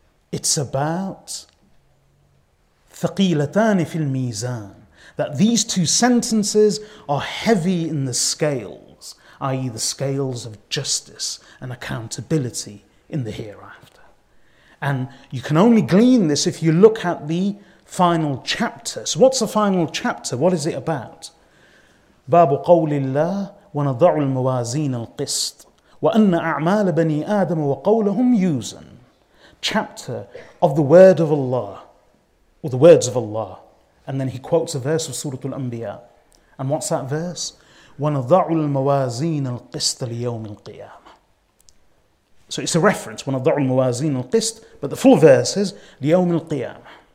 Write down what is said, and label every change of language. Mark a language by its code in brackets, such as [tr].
[en] It's about [ar] ثقيلتان في الميزان, [en] that these two sentences are heavy in the scales, i.e. the scales of justice and accountability in the hereafter. And you can only glean this if you look at the final chapter. So what's the final chapter? What is it about? [ar] باب قول الله ونضع الموازين القسط وأن أعمال بني آدم وقولهم يوزن. [en] Chapter of the word of Allah, or the words of Allah. And then he quotes a verse of Surah Al-Anbiya. And what's that verse? [ar] وَنَضَعُ الْمَوَازِينَ الْقِسْطَ لِيَوْمِ الْقِيَامَةِ. [en] So it's a reference, [ar] وَنَضَعُ الْمَوَازِينَ الْقِسْطَ, [en] but the full verse is [ar] لِيَوْمِ الْقِيَامَةِ.